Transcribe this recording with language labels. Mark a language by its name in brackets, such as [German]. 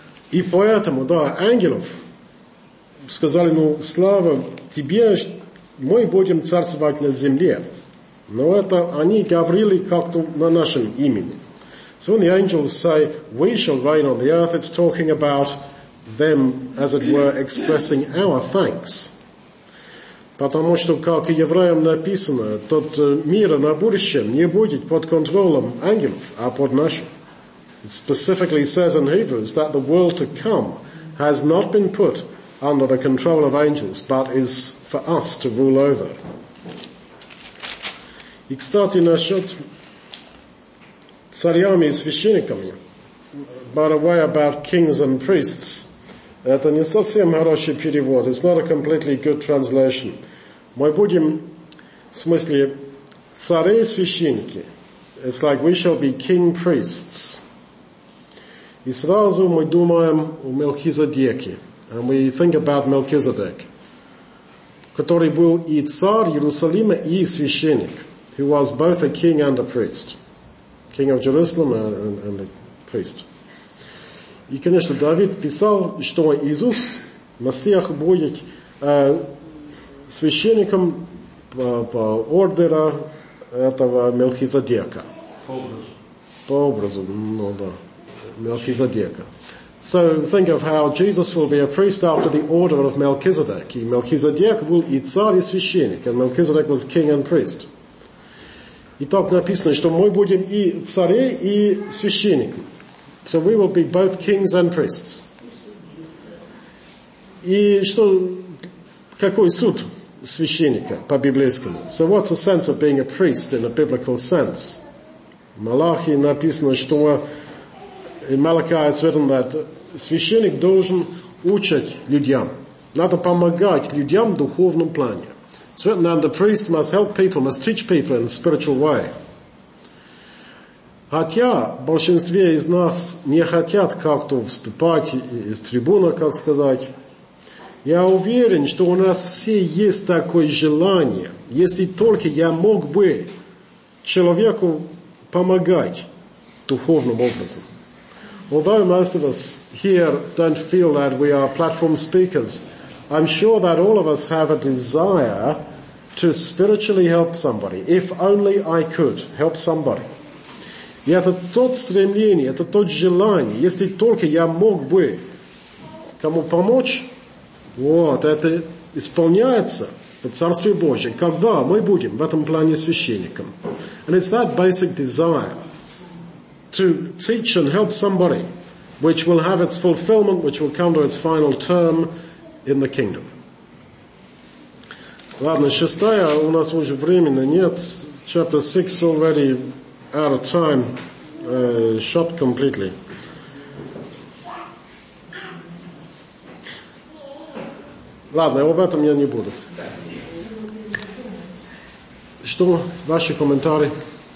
[Russian] И поэтому, да, ангелов сказали, ну, слава тебе, мы будем царствовать на земле. Но это они говорили как-то на нашем имени. [English] So when the angels say, we shall reign on the earth, it's talking about them, as it were, expressing our thanks. [Russian] Потому что, как и евреям написано, тот мир на будущем не будет под контролем ангелов, а под нашим. [English] It specifically says in Hebrews that the world to come has not been put under the control of angels, but is for us to rule over. [Russian] И, кстати, насчет царями и священниками. [English] By the way, about kings and priests, [Russian] это не совсем хороший перевод. [English] It's not a completely good translation. [Russian] Мы будем, в смысле, цари и священники. [English] It's like we shall be king priests. [Russian] И сразу мы думаем о Мелхизедеке. [English] And we think about Melchizedek, [Russian] который был и царь Иерусалима, и священник, [English] who was both a king and a priest. King of Jerusalem and a priest. [Russian] И, конечно, Давид писал, что Иисус, Мессиях, будет священником по ордеру этого Мелхизедека. По образу. По образу, ну да, Мелхизедека. [English] So think of how Jesus will be a priest after the order of Melchizedek. [Russian] И Мелхизедек был и царь, и священник. [English] And Melchizedek was king and priest. [Russian] И так написано, что мы будем и царе, и священник. [English] So we will be both kings and priests. [Russian] И что, какой суд священника по-библейскому? [English] So what's the sense of being a priest in a biblical sense? [Russian] В Малахии написано, что [English] in Malachi it's written that [Russian] священник должен учить людям. Надо помогать людям в духовном плане. [English] It's written that the priest must help people, must teach people in a spiritual way. [Russian] Хотя большинстве из нас не хотят как-то вступать из трибуны, как сказать, я уверен, что у нас все есть такое желание, если только я мог бы человеку помогать духовным образом. [English] Although most of us here don't feel that we are platform speakers, I'm sure that all of us have a desire to spiritually help somebody. If only I could help somebody. [Russian] И это тот стремление, это тот желание, если только я мог бы кому помочь, вот, это исполняется в Царстве Божьем, когда мы будем в этом плане священником. [English] And it's that basic desire to teach and help somebody, which will have its fulfillment, which will come to its final term in the kingdom. [Russian] Ладно, шестая, у нас уже времени нет. [English] Chapter 6 already out of time, shot completely. [Russian] Ладно, об этом я не буду. Что ваши комментарии?